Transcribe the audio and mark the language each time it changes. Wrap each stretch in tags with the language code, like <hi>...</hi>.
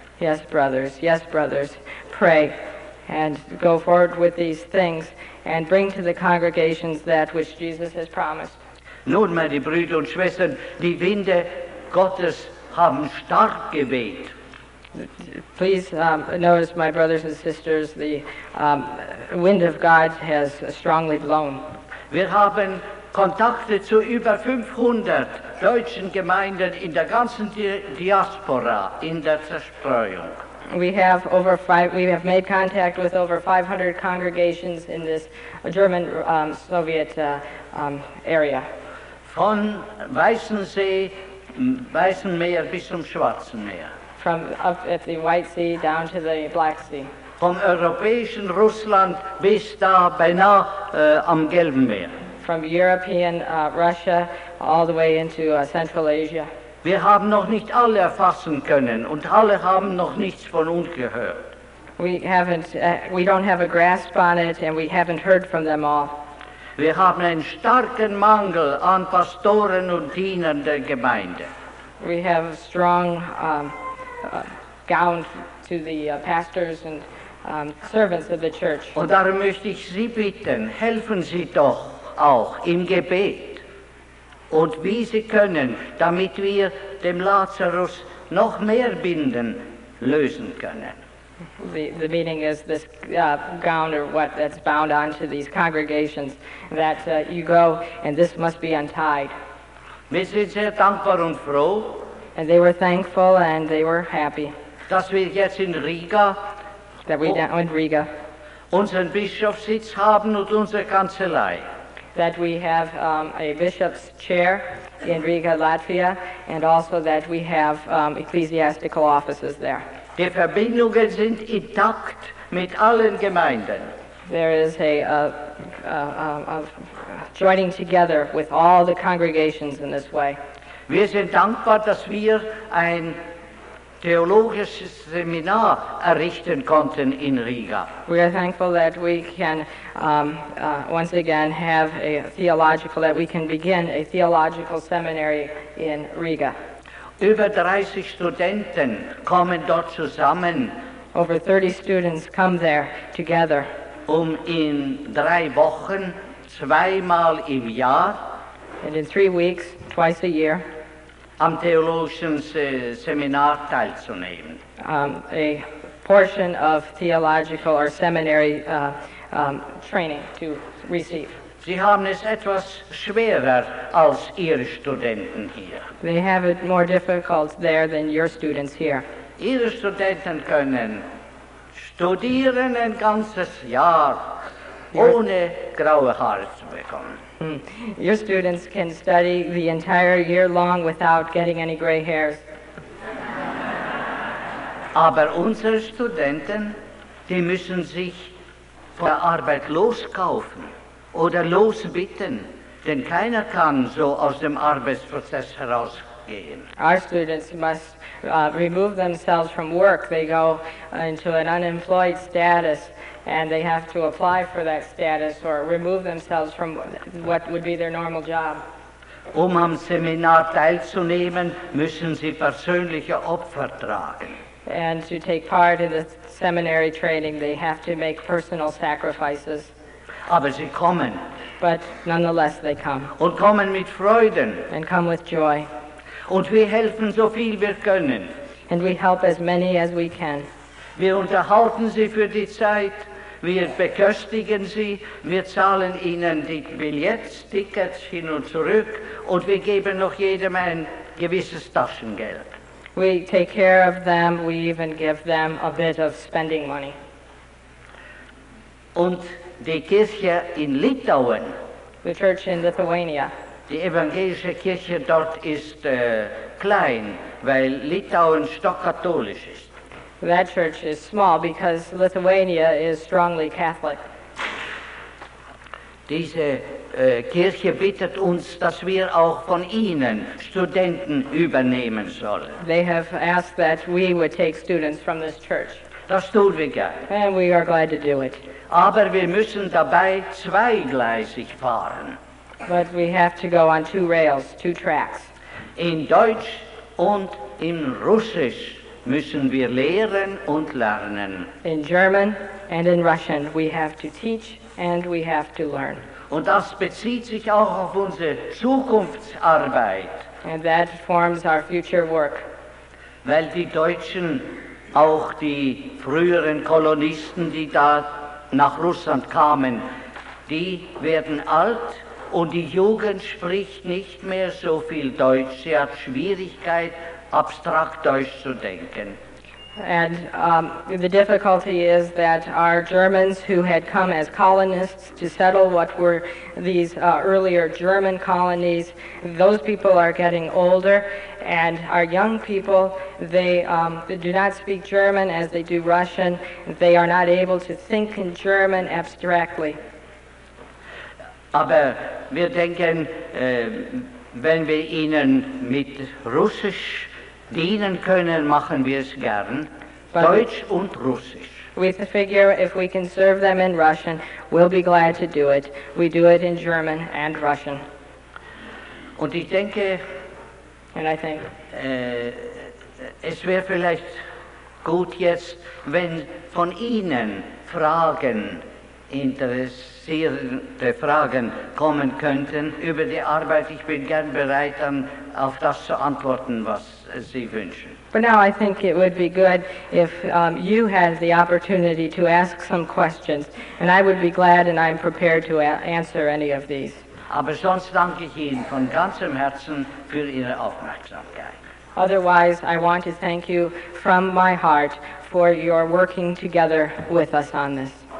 <en>Yes, brothers, pray and go forward with these things and bring to the congregations that which Jesus has promised.</en> <de>Nun, meine Brüder und Schwestern, die Winde Gottes haben stark geweht.</de> <en>Please notice, my brothers and sisters, the wind of God has strongly blown.</en> <de>Wir haben Kontakte zu über 500 deutschen Gemeinden in der ganzen Diaspora, in der Zerstreuung.</de> <en>We have made contact with over 500 congregations in this German Soviet area.</en> <de>Von Weißen Meer bis zum Schwarzen Meer.</de> <en>From up at the White Sea down to the Black Sea.</en> <de>Vom europäischen Russland bis da beinahe am Gelben Meer.</de> <en>From European Russia all the way into Central Asia.</en> <de>Wir haben noch nicht alle erfassen können und alle haben noch nichts von uns gehört.</de> <en>We don't have a grasp on it, and we haven't heard from them all.</en> <de>Wir haben einen starken Mangel an Pastoren und Dienern der Gemeinde.</de> <en>We have a strong gown to the pastors and servants of the church.</en> <de>Und darum möchte ich Sie bitten, helfen Sie doch auch im Gebet und wie Sie können, damit wir dem Lazarus noch mehr Binden lösen können.</de> <en>The meaning is this gown or what that's bound onto these congregations, that you go and this must be untied.</en> <de>Wir sind sehr dankbar und froh.</de> <en>And they were thankful and they were happy.</en> <de>Dass wir jetzt in Riga,</de> <en>that we now in Riga,</en> <de>unseren Bischofssitz haben und unsere Kanzlei.</de> <en>That we have a bishop's chair in Riga, Latvia, and also that we have ecclesiastical offices there.</en> <de>Die Verbindungen sind intakt mit allen Gemeinden.</de> <en>There is a joining together with all the congregations in this way.</en> <de>Wir sind dankbar, dass wir ein theologisches Seminar errichten konnten in Riga.</de> <en>We are thankful that we can once again have a theological, that we can begin a theological seminary in Riga.</en> <de>Über 30 Studenten kommen dort zusammen.</de> <en>Over 30 students come there together.</en> <de>in 3 Wochen, zweimal im Jahr,</de> <en>and in 3 weeks, twice a year,</en> <de>am theologischen Seminar teilzunehmen.</de> <en>A portion of theological or seminary training to receive.</en> <de>Sie haben es etwas schwerer als Ihre Studenten hier.</de> <en>They have it more difficult there than your students here.</en> <de>Ihre Studenten können studieren ein ganzes Jahr ohne graue Haare zu bekommen.</de> <en>Your students can study the entire year long without getting any gray hairs.</en> <de>Aber unsere Studenten, die müssen sich von der Arbeit loskaufen oder losbitten, denn keiner kann so aus dem Arbeitsprozess herausgehen.</de> <en>Our students must remove themselves from work. They go into an unemployed status, and they have to apply for that status or remove themselves from what would be their normal job.</en> <de>Am Seminar teilzunehmen, müssen sie persönliche Opfer tragen.</de> <en>And to take part in the seminary training, they have to make personal sacrifices.</en> <de>Aber sie kommen.</de> <en>But nonetheless, they come.</en> <de>Und kommen mit Freuden.</de> <en>And come with joy.</en> <de>Und wir helfen so viel wir können.</de> <en>And we help as many as we can.</en> <de>Wir unterhalten sie für die Zeit. Wir beköstigen sie. Wir zahlen ihnen die Billets, Tickets hin und zurück. Und wir geben noch jedem ein gewisses Taschengeld.</de> <en>We take care of them. We even give them a bit of spending money.</en> <de>Und die Kirche in Litauen,</de> <en>the church in Lithuania,</en> <de>die evangelische Kirche dort ist klein, weil Litauen stockkatholisch ist.</de> <en>That church is small because Lithuania is strongly Catholic.</en> <de>Diese Kirche bittet uns, dass wir auch von ihnen Studenten übernehmen sollen.</de> <en>They have asked that we would take students from this church.</en> <de>Das tun wir gerne.</de> <en>And we are glad to do it.</en> <de>Aber wir müssen dabei zweigleisig fahren.</de> <en>But we have to go on two rails, two tracks.</en> <de>In Deutsch und in Russisch müssen wir lehren und lernen.</de> <en>In German and in Russian we have to teach and we have to learn.</en> <de>Und das bezieht sich auch auf unsere Zukunftsarbeit.</de> <en>And that forms our future work.</en> <de>Weil die Deutschen, auch die früheren Kolonisten, die da nach Russland kamen, die werden alt und die Jugend spricht nicht mehr so viel Deutsch. Sie hat Schwierigkeit, abstrakt Deutsch zu denken.</de> <en>And the difficulty is that our Germans who had come as colonists to settle what were these earlier German colonies, those people are getting older, and our young people, they do not speak German as they do Russian. They are not able to think in German abstractly.</en> <de>Aber wir denken, wenn wir ihnen mit Russisch dienen können, machen wir es gern.</de> <en>But</en> <de>Deutsch und Russisch.</de> <en>We figure if we can serve them in Russian, we'll be glad to do it. We do it in German and Russian.</en> <de>Und ich denke,</de> <en>and I think,</en> <de>es wäre vielleicht gut jetzt, wenn von Ihnen Fragen, interessierende Fragen kommen könnten über die Arbeit. Ich bin gern bereit, dann auf das zu antworten, was Sie wünschen.</de> <en>But now I think it would be good if you had the opportunity to ask some questions, and I would be glad and I'm prepared to answer any of these.</en> <de>Aber sonst danke ich Ihnen von ganzem Herzen für Ihre Aufmerksamkeit.</de> <en>Otherwise, I want to thank you from my heart for your working together with us on this.</en>